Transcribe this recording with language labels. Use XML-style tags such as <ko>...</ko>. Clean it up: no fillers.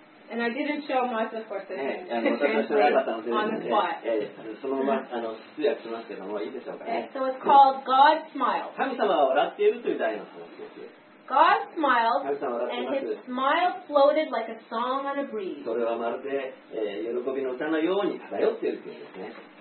<en>And I didn't show Martha for the translate on the spot. So it's called God Smiles.</en> <ja>神様は笑っているという題の話です。</ja> <en>God smiled, and his smile floated like a song on a breeze.</en> <ja>それはまるで、喜びの歌のように漂っているというですね。</ja>